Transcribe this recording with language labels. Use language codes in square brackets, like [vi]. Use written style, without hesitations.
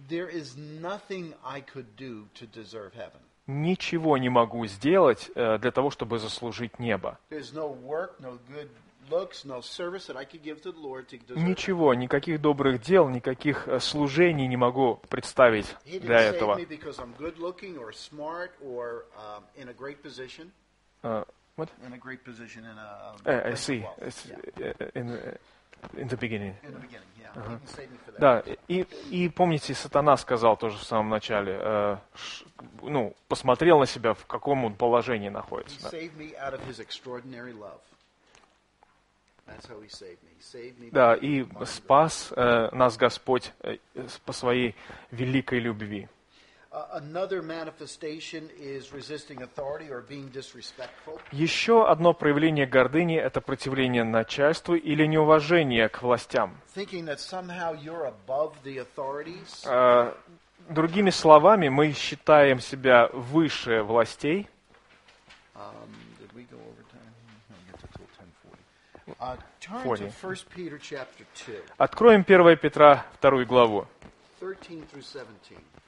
[en] There is nothing I could do to deserve heaven. [ru] Ничего не могу сделать для того, чтобы заслужить небо. [en] There is no work, no good looks, no service that I could give to the Lord to deserve. [ru] Ничего, никаких добрых дел, никаких служений не могу представить для этого. [en] He didn't save me because I'm good looking or smart or in a great position. What? In a great position in a. I see. Yeah. In the beginning. In the beginning, yeah. Uh-huh. He didn't save me for that. [ru] Да, и помните, сатана сказал тоже в самом начале: ну, посмотрел на себя, в каком он положении находится. [en] He saved me out of his extraordinary love. That's how he saved me. [ru] Да, и спас нас Господь по своей великой любви. [en] Another manifestation is resisting authority or being disrespectful. [ru] Еще одно проявление гордыни – это противление начальству или неуважение к властям. [en] Thinking that somehow you're above the authorities. [ru] Другими словами, мы считаем себя выше властей. [en] Did we go over time? No, we get until 10:40. Turn to 1 Peter chapter 2. [ru] Откроем 1 Петра 2 главу. 13-17.